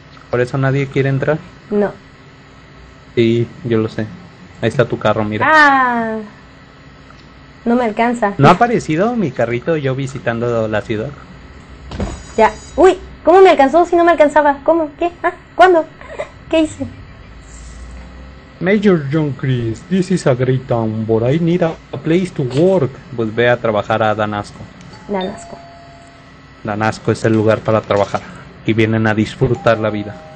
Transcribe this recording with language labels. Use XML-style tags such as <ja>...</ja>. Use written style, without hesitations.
<es>Por eso nadie quiere entrar. No. Sí, yo lo sé. Ahí está tu carro, mira. Ah. No me alcanza. ¿No ha aparecido mi carrito yo visitando la ciudad? Ya. Uy, ¿cómo me alcanzó si no me alcanzaba? ¿Cómo? ¿Qué? ¿Ah? ¿Cuándo? ¿Qué hice?</es> <en>Major John Chris, this is a great town, but I need a place to work.</en> <es>Pues ve a trabajar a Danasco. Dan asco. Danasco es el lugar para trabajar y vienen a disfrutar la vida.</es>